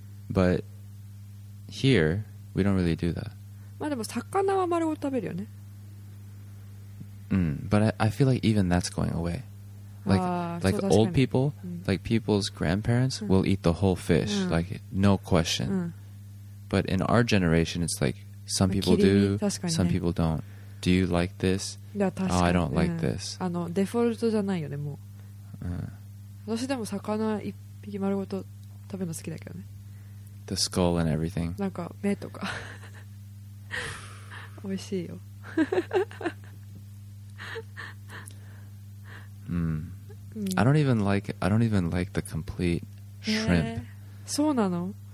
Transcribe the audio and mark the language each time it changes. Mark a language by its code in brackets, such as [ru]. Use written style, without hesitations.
[en] But here we don't really do that. [ja] まあでも魚は丸ごと食べるよね。 [en] But I feel like even that's going away. Like old people, like people's grandparents will eat the whole fish, like no question. But in our generation, it's like some people do, some people don't. Do you like this? [ja] いや確かに、 [en] oh, I don't like this. [ja] あのデフォルトじゃないよねもう、うん、私でも魚一匹丸ごと食べるの好きだけどね [en] The skull and everything [ja] なんか目とか美味しいよ。うん。 [en] I don't even like the complete shrimp. [ja] そうなの?